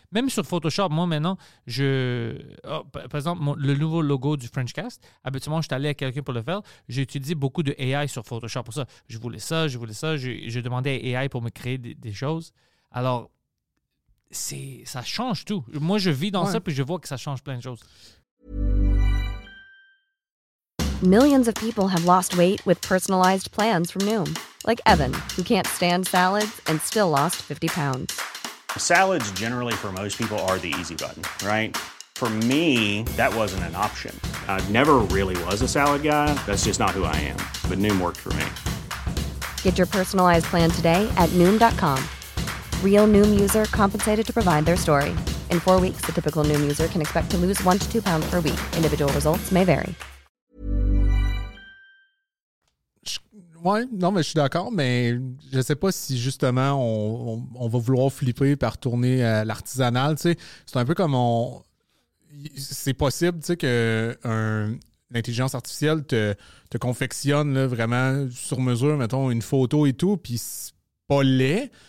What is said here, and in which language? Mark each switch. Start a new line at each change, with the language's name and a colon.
French: Même sur Photoshop, moi, maintenant, par exemple, le nouveau logo du Frenchcast, habituellement, je suis allé à quelqu'un pour le faire. J'ai utilisé beaucoup de AI sur Photoshop pour ça. Je voulais ça. J'ai demandé à AI pour me créer des choses. Alors, ça change tout. Moi, je vis dans ça, puis je vois que ça change plein de choses.
English: Millions of people have lost weight with personalized plans from Noom. Like Evan, who can't stand salads and still lost 50 pounds. Salads generally for most people are the easy button, right? For me, that wasn't an option. I never really was a salad guy. That's just not who I am. But Noom worked for me. Get your personalized plan today at Noom.com. Real Noom user compensated to provide their story. In 4 weeks, the typical Noom user can expect to lose 1 to 2 pounds per week. Individual results may vary.
French: Ouais, non, mais je suis d'accord, mais je sais pas si justement on va vouloir flipper par tourner à l'artisanal, tu sais. C'est un peu comme on. C'est possible, tu sais, que l'intelligence artificielle te confectionne là, vraiment sur mesure, mettons, une photo et tout, puis c'est pas laid.